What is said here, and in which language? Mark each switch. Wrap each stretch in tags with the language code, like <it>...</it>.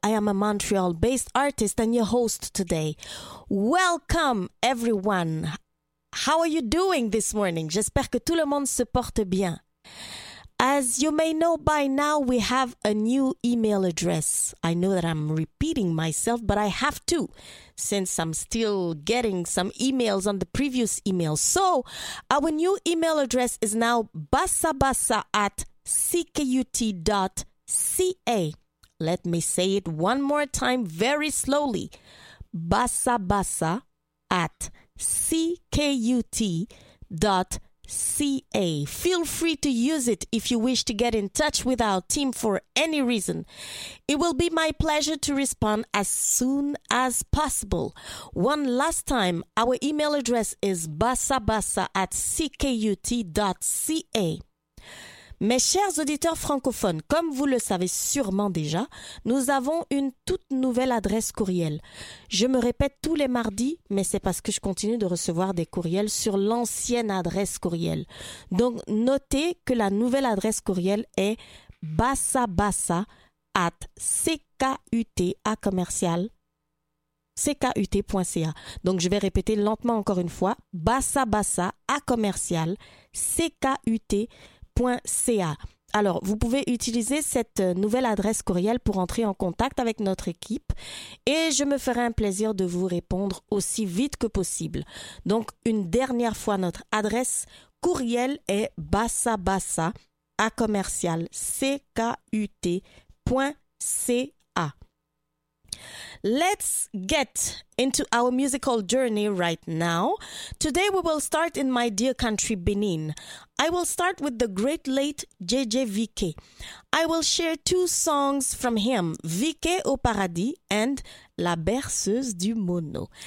<en>I am a Montreal-based artist and your host today. Welcome, everyone. How are you doing this morning?</en> <fr>J'espère que tout le monde se porte bien.</fr> <en>As you may know by now, we have a new email address. I know that I'm repeating myself, but I have to, since I'm still getting some emails on the previous email. So our new email address is now bassabassa@ckut.ca. Let me say it one more time very slowly. bassabassa@ckut.ca. CA. Feel free to use it if you wish to get in touch with our team for any reason. It will be my pleasure to respond as soon as possible. One last time, our email address is basabasa@ckut.ca.</en> <fr>Mes chers auditeurs francophones, comme vous le savez sûrement déjà, nous avons une toute nouvelle adresse courriel. Je me répète tous les mardis, mais c'est parce que je continue de recevoir des courriels sur l'ancienne adresse courriel. Donc, notez que la nouvelle adresse courriel est basabasa@ckut.ca. Donc, je vais répéter lentement encore une fois, basabasa@ckut.ca. Alors, vous pouvez utiliser cette nouvelle adresse courriel pour entrer en contact avec notre équipe et je me ferai un plaisir de vous répondre aussi vite que possible. Donc, une dernière fois, notre adresse courriel est basabasa@ckut.ca.</fr> <en>Let's get into our musical journey right now. Today we will start in my dear country, Benin. I will start with the great late JJ Vike. I will share two songs from him, Vike au Paradis and La Berceuse du Mono.</en>